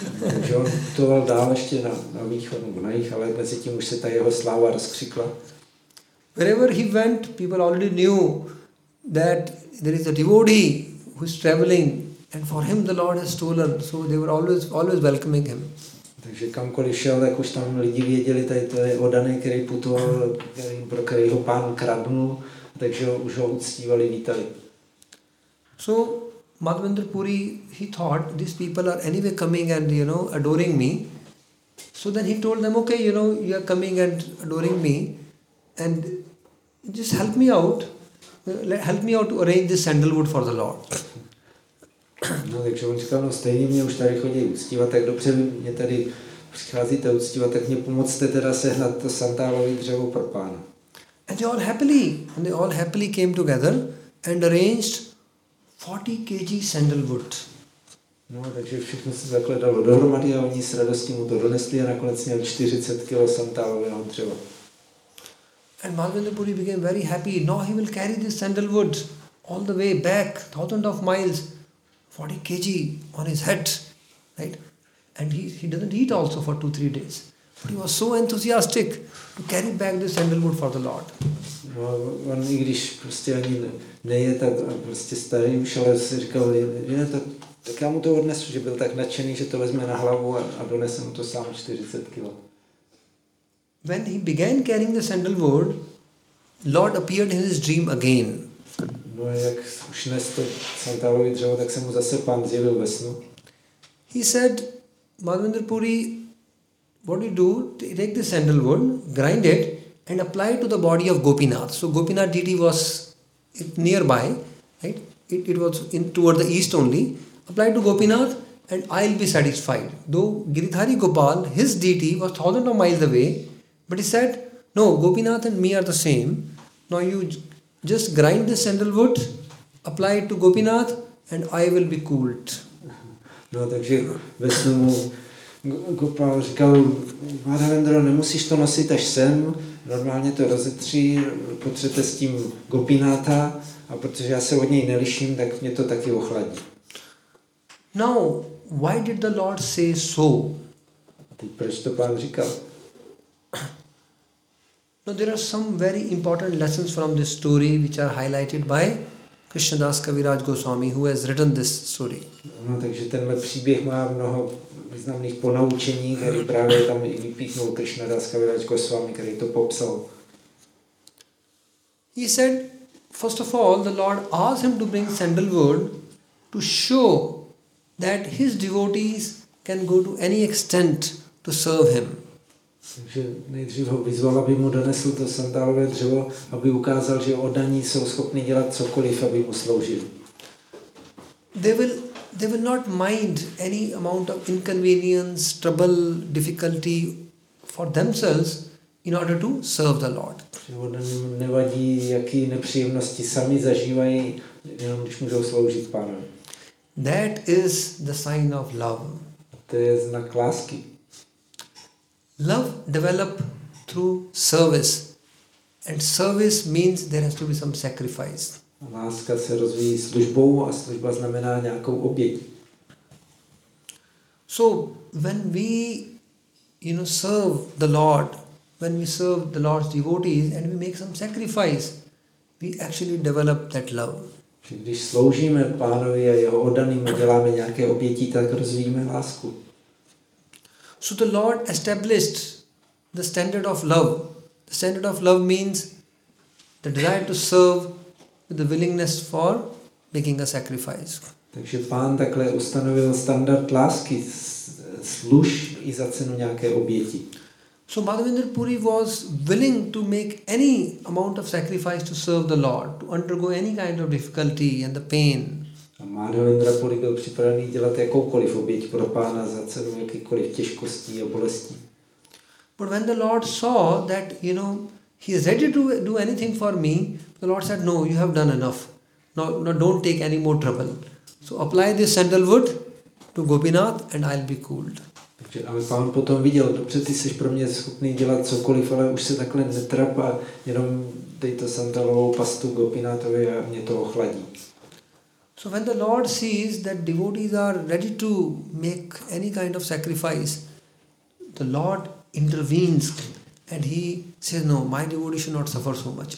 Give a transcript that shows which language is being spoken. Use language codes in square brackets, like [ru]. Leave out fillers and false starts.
[cs] Takže on putoval dál ještě na východ nebo na jih, ale mezi tím už se ta jeho sláva rozkřikla. [en] Wherever he went, people already knew that there is a devotee who is traveling, and for him the Lord has stolen, so they were always welcoming him. [cs] Takže kamkoliv šel, tak už tam lidi věděli, tady to je oddaný, který putoval, pro kterýho pán kradnul, takže už ho uctívali, vítali. [en] So Madhavendra Puri, he thought, these people are anyway coming and, you know, adoring me. So then he told them, okay, you know, you are coming and adoring me and just help me out. Help me out to arrange this sandalwood for the Lord. [cs] No, takže on říkal, no stejně mě už tady chodí uctívat, tak dobře, mě tady přicházíte uctívat, tak mě pomocte teda sehnat to santálový dřevo pro pána. [en] And they all happily came together and arranged 40 kg sandalwood. [cs] No, takže všechno se zakládalo dohromady a oni s radostí mu to donesli a nakonec měl 40 kg santálového dřeva. [en] And Madhavendra Puri became very happy. Now he will carry this sandalwood all the way back, thousands of miles. 40 kg on his head, right? And he doesn't eat also for 2-3 days. But he was so enthusiastic to carry back this sandalwood for the Lord. [cs] No, on i když prostě ani neje, tak prostě starý už, ale si říkal, je, tak já mu to odnesu, že byl tak nadšený, že to vezme na hlavu a donese mu to sám 40 kg. [en] When he began carrying the sandalwood, Lord appeared in his dream again. [cs] No a jak už nes to santálový dřevo, tak se mu zase pán zjevil ve snu. [en] He said, Madhavendra Puri, what do you do? Take the sandalwood, grind it and apply it to the body of Gopinath. So Gopinath deity was nearby, right? It was in toward the east only. Apply to Gopinath and I'll be satisfied. Though Giridhari Gopal, his deity was thousands of miles away, but he said, no, Gopinath and me are the same. Now you just grind the sandalwood, apply it to Gopinath and I will be cooled. [cs] No, takže ve snu mu Gopal říkal, Madhavendra, nemusíš to nosit až sem, normálně to rozetří, potřete s tím Gopinatha a protože já se od něj neliším, tak mě to taky ochladí. [en] Now, why did the Lord say so? [cs] teď proč to pán říkal? [en] No, there are some very important lessons from this story which are highlighted by Krishnadas Kaviraj Goswami, who has written this story. [cs] No, takže tenhle příběh má mnoho významných ponaučení, které právě tam i vypíchnul Krishnadas Kaviraj Goswami, který to popsal. [en] He said, first of all, the Lord asked him to bring sandalwood to show that his devotees can go to any extent to serve him. [cs] Takže nejdřív ho vyzval, aby mu donesl to sandálové dřevo, aby ukázal, že oddaní jsou schopni dělat cokoliv, aby mu sloužil. [en] They will not mind any amount of inconvenience, trouble, difficulty for themselves in order to serve the Lord. [cs] Nevadí, jaký nepříjemnosti sami zažívají, jenom když můžou sloužit Pánu. [en] That is the sign of love. [cs] To je znak lásky. [en] Love develop through service, and service means there has to be some sacrifice. [cs] Láska se rozvíjí službou a služba znamená nějakou oběť. [en] So when we, you know, serve the Lord, when we serve the Lord's devotees and we make some sacrifice, we actually develop that love. [cs] Když sloužíme Pánovi a jeho oddaným a děláme nějaké oběti, tak rozvíjíme lásku. [en] So the Lord established the standard of love. The standard of love means the desire to serve with the willingness for making a sacrifice. [cs] Takže Pán takhle ustanovil standard lásky, služ i za cenu nějaké oběti. [en] So Madhavendra Puri was willing to make any amount of sacrifice to serve the Lord, to undergo any kind of difficulty and the pain. [cs] A Madhavendra Puri byl připravený dělat jakoukoliv oběť pro Pána za cenu jakýkoliv těžkostí a bolestí. [en] But when the Lord saw that, you know, he is ready to do anything for me, the Lord said, no, you have done enough. Now don't take any more trouble. So apply this sandalwood to Gopinath and I'll be cooled. [cs] Takže ale Pán potom viděl, dobře, ty jsi pro mě schopný dělat cokoliv, ale už se takhle netrap a jenom dej to sandalovou pastu Gopinathovi a mě to ochladí. [en] So when the Lord sees that devotees are ready to make any kind of sacrifice, the Lord intervenes and he says, no, my devotee should not suffer so much.